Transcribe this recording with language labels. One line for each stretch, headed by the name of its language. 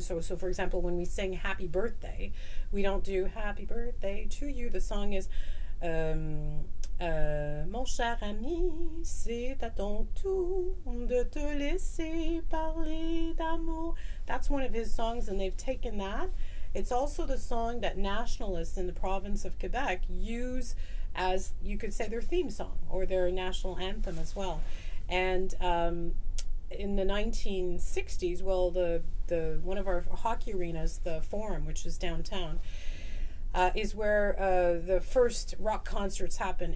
English: So for example, when we sing Happy Birthday, we don't do Happy Birthday to you. The song is
French: Mon cher ami, c'est à ton tour de te laisser parler d'amour.
English: That's one of his songs, and they've taken that. It's also the song that nationalists in the province of Quebec use as, you could say, their theme song or their national anthem as well. And in the 1960s, well, the one of our hockey arenas, the Forum, which is downtown, is where the first rock concerts happened.